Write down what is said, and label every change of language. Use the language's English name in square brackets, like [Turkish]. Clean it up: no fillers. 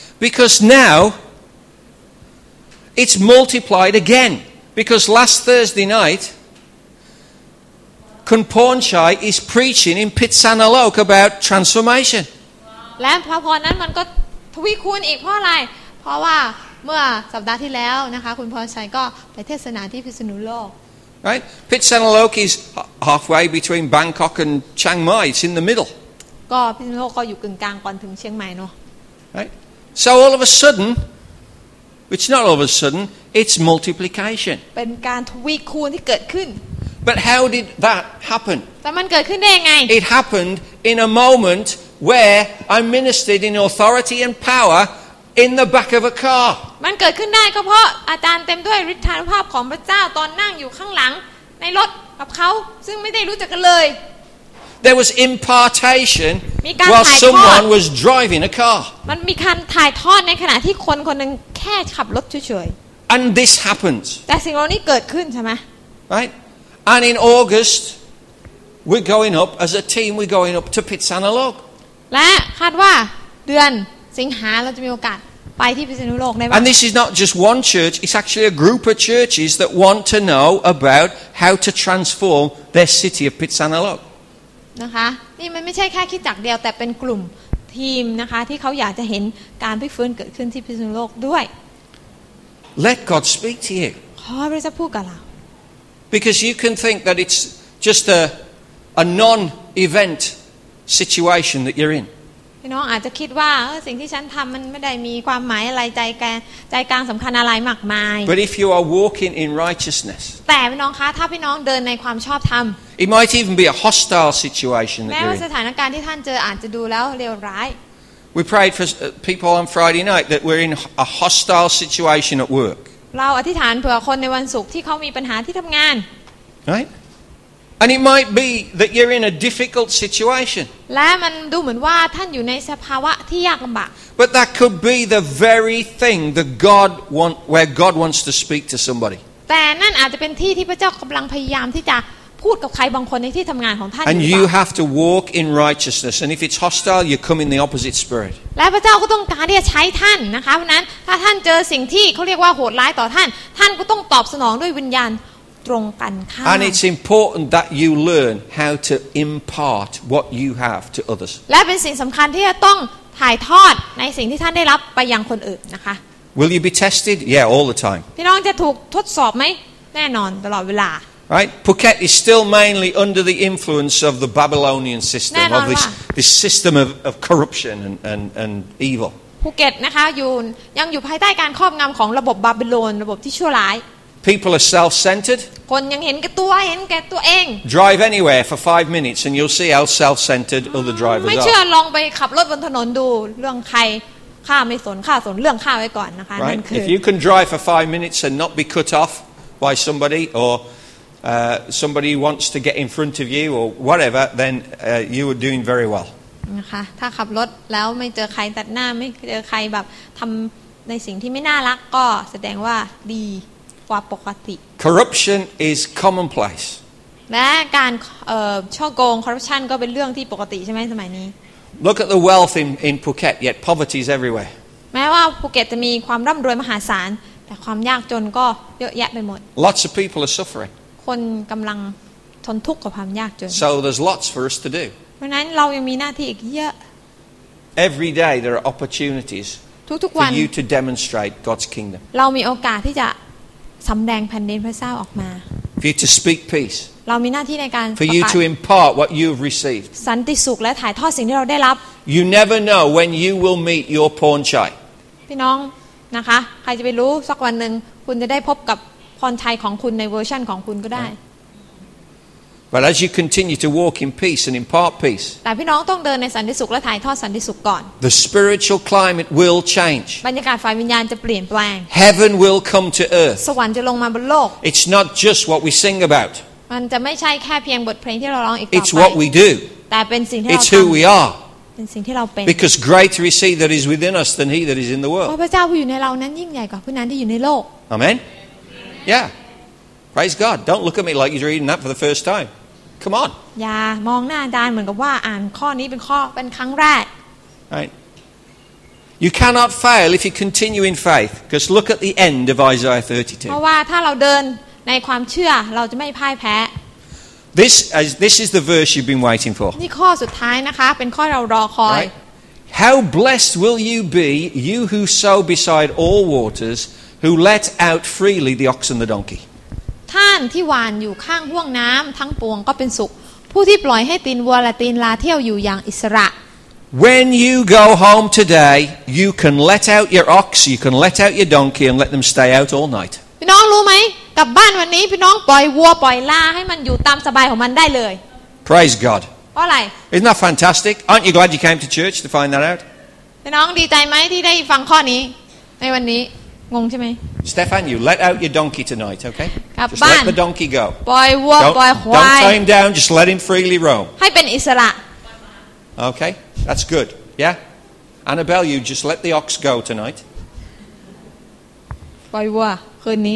[English] Because now it's multiplied again. Because last Thursday night,Kunporn Chai is preaching in Phitsanulok about transformation. [Thai] และเพราะตอนนั้นมันก็ทวีคูณอีกเพราะอะไรเพราะว่าเมื่อสัปดาห์ที่แล้วนะคะคุณพรชัยก็ไปเทศนาที่พิษณุโลก [English] Right? Phitsanulok is halfway between Bangkok and Chiang Mai. It's in the middle. [Thai] ก็พิษณุโลกก็อยู่กลางๆก่อนถึงเชียงใหม่เนาะ [English] Right? So all of a sudden, which not all of a sudden, it's multiplication. [Thai] เป็นการทวีคูณที่เกิดขึ้น [English] But how did that happen? [Thai] แต่มันเกิดขึ้นได้ยังไง [English] It happened in a moment where I ministered in authority and power in the back of a car. [Thai] มันเกิดขึ้นได้ก็เพราะอาจารย์เต็มด้วยฤทธานุภาพของพระเจ้าตอนนั่งอยู่ข้างหลังในรถกับเขาซึ่งไม่ได้รู้จักกันเลย [English] There was impartation while someone was driving a car. [Thai] มันมีการถ่ายทอดในขณะที่คนคนนึงแค่ขับรถเฉย [English] ๆ And this happens. [Thai] แต่สิ่งเหล่านี้เกิดขึ้นใช่ไหม [English] Right? And in August, we're going up as a team. We're going up to Phitsanulok. [Thai] และคาดว่าเดือนสิงหาเราจะมีโอกาสไปที่พิษณุโลกได้ไหม [English] And this is not just one church. It's actually a group of churches that want to know about how to transform their city of Phitsanulok. [Thai] นะคะนี่มันไม่ใช่แค่คิดจักเดียวแต่เป็นกลุ่มทีมนะคะที่เขาอยากจะเห็นการพลิกฟื้นเกิดขึ้นที่พิษณุโลกด้วย [English] Let God speak to you. [Thai] ขอพระเจ้าพูดกับเรา [English] Because you can think that it's just a non-event situation that you're in. You know, [Thai] อาจจะคิดว่าสิ่งที่ฉันทำมันไม่ได้มีความหมายอะไรใจกลางสำคัญอะไรมากมาย [English] But if you are walking in righteousness, [Thai] แต่พี่น้องคะถ้าพี่น้องเดินในความชอบธรรม [English] it might even be a hostile situation that you're in. [Thai] แม้ว่าสถานการณ์ที่ท่านเจออาจจะดูแล้วเลวร้าย [English] We prayed for people on Friday night that we're in a hostile situation at work. [Thai] เราอธิษฐานเผื่อคนในวันศุกร์ที่เขามีปัญหาที่ทำงาน [English] Right? And it might be that you're in a difficult situation. [Thai] และมันดูเหมือนว่าท่านอยู่ในสภาวะที่ยากลำบาก [English] But that could be the very thing that where God wants to speak to somebody. [Thai] แต่นั่นอาจจะเป็นที่ที่พระเจ้ากำลังพยายามที่จะพูดกับใครบางคนในที่ทำงานของท่าน [English] And you have to walk in righteousness. And if it's hostile, you come in the opposite spirit. [Thai] และพระเจ้าก็ต้องการที่จะใช้ท่านนะคะเพราะนั้นถ้าท่านเจอสิ่งที่เขาเรียกว่าโหดร้ายต่อท่านท่านก็ต้องตอบสนองด้วยวิญญาณตรงกันข้าม [English] And it's important that you learn how to impart what you have to others. [Thai] และเป็นสิ่งสำคัญที่จะต้องถ่ายทอดในสิ่งที่ท่านได้รับไปยังคนอื่นนะคะ [English] Will you be tested? Yeah, all the time. [Thai] พี่น้องจะถูกทดสอบไหมแน่นอนตลอดเวลา [English] Right, Phuket is still mainly under the influence of the Babylonian system of this system of corruption and evil. [Thai] Phuket, นะคะ ยังอยู่ภายใต้การครอบงำของระบบบาบิโลนระบบที่ชั่วร้าย [English] People are self-centered. [Thai] คนยังเห็นแก่ตัวเห็นแก่ตัวเอง [English] Drive anywhere for 5 minutes and you'll see how self-centered other drivers are. [Thai] ไม่เชื่อลองไปขับรถบนถนนดูเรื่องใครข้าไม่สนข้าสนเรื่องข้าไว้ก่อนนะคะ [English] Right. If you can drive for 5 minutes and not be cut off by somebody orsomebody wants to get in front of you or whatever then you are doing very well [Thai] นะคะถ้าขับรถแล้วไม่เจอใครตัดหน้าไม่เจอใครแบบทำในสิ่งที่ไม่น่ารักก็แสดงว่าดีกว่าปกติ [English] Corruption is commonplace [Thai] และการช่อโกง corruption ก็เป็นเรื่องที่ปกติใช่ไหมสมัยนี้ [English] Look at the wealth in Phuket yet poverty is everywhere [Thai] แม้ว่าภูเก็ตจะมีความร่ำรวยมหาศาลแต่ความยากจนก็เยอะแยะไปหมด [English] Lots of people are suffering [Thai] คนกำลังทนทุกข์กับความยากจน [English] So there's lots for us to do. [Thai] เพราะนั้นเรายังมีหน้าที่อีกเยอะ [English] Every day there are opportunities [Thai] ทุกๆวัน [English] for you to demonstrate God's kingdom. [Thai] เรามีโอกาสที่จะ สำแดงแผ่นดินพระเจ้าออกมา [English] For you to speak peace [Thai] เรามีหน้าที่ในการ [English] For you to impart what you've received [Thai] สันติสุขและถ่ายทอดสิ่งที่เราได้รับ [English] You never know when you will meet your porn chai [Thai] พี่น้องนะคะใครจะไปรู้สักวันนึงคุณจะได้พบกับพรชัยของคุณในเวอร์ชั่นของคุณก็ได้ [English] But as you continue to walk in peace and impart peace, [Thai] แต่พี่น้องต้องเดินในสันติสุขและถ่ายทอดสันติสุขก่อน [English] The spiritual climate will change. [Thai] บรรยากาศฝ่ายวิญญาณจะเปลี่ยนแปลง [English] Heaven will come to earth. [Thai] สวรรค์จะลงมาบนโลก [English] It's not just what we sing about. [Thai] มันจะไม่ใช่แค่เพียงบทเพลงที่เราร้องอีกต่อไป [English] It's what we do. [Thai] แต่เป็นสิ่งที่เราทำ [English] It's who we are. [Thai] เป็นสิ่งที่เราเป็น [English] Because greater is He that is within us than He that is in the world. [Thai] เพราะพระเจ้าผู้อยู่ในเรานั้นยิ่งใหญ่กว่าผู้นั้นที่อยู่ในโลก [English] Amen. Yeah. Praise God. Don't look at me like you're reading that for the first time. Come on. [Thai] อย่ามองหน้าอาจารย์เหมือนกับว่าอ่านข้อนี้เป็นข้อเป็นครั้งแรก [English] Right. You cannot fail if you continue in faith. Because look at the end of Isaiah 32. [Thai] เพราะว่าถ้าเราเดินในความเชื่อเราจะไม่พ่ายแพ้ [English] This is the verse you've been waiting for. [Thai] นี่ข้อสุดท้ายนะคะเป็นข้อเรารอคอย [English] Right. How blessed will you be, you who sow beside all waters, who let out freely the ox and the donkey. [Thai] ท่านที่หว่านอยู่ข้างห่วงน้ำทั้งปวงก็เป็นสุขผู้ที่ปล่อยให้ตีนวัวและตีนลาเที่ยวอยู่อย่างอิสระ [English] When you go home today you can let out your ox you can let out your donkey and let them stay out all night [Thai] พี่น้องรู้ไหมกลับบ้านวันนี้พี่น้องปล่อยวัวปล่อยลาให้มันอยู่ตามสบายของมันได้เลย [English] Praise God [Thai] เพราะอะไร [English] Isn't that fantastic Aren't you glad you came to church to find that out [Thai] พี่น้องดีใจไหมที่ได้ฟังข้อนี้ในวันนี้งงใช่ไหม [English] Stefan, you let out your donkey tonight, okay? [Thai] กลับบ้าน [English] Just let the donkey go. [Thai] ปล่อยวัวปล่อยควาย [English] Don't tie him down. Just let him freely roam. [Thai] ให้เป็นอิสระ [English] Okay, that's good. Yeah, Annabelle, you just let the ox go tonight. [Thai] ปล่อยวัวคืนนี